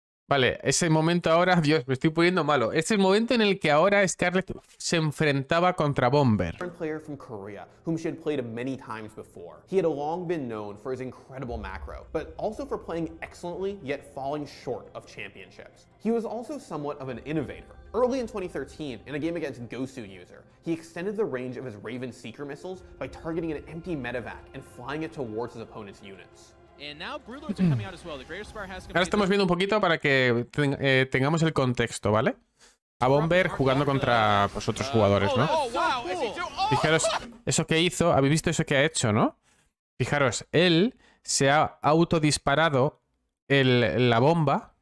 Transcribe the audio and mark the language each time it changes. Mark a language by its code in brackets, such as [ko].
[es] Vale, ese momento ahora, Dios, me estoy poniendo malo. Es el momento en el que ahora Scarlett se enfrentaba contra Bomber. [en] A player from Korea, whom she had played many times before. He had long been known for his incredible macro, but also for playing excellently, yet falling short of championships. He was also somewhat of an innovator. Early in 2013, in a game against Gosu user, he extended the range of his Raven Seeker missiles by targeting an empty medevac and flying it towards his opponent's units. And now Broodlords are coming out as well. The Greater Spire has. [es] Ahora estamos viendo un poquito para que tengamos el contexto, ¿vale? A Bomber jugando contra pues, otros jugadores, ¿no? Fijaros eso que hizo. ¿Habéis visto eso que ha hecho, no? Fijaros, él se ha autodisparado la bomba.